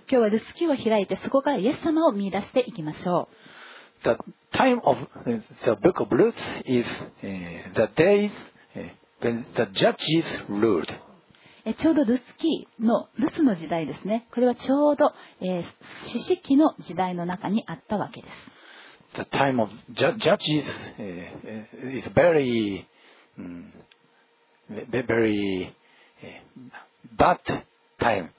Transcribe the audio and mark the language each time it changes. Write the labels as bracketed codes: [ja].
[ja] 今日はルツ記を開いて、そこからイエス様を見出していきましょう。 [en] The time of the book of Ruth is the days when the judges ruled. [ja] ちょうどルツの時代ですね。これはちょうど、四世紀の時代の中にあったわけです。 [en] The time of judges is very, very bad time.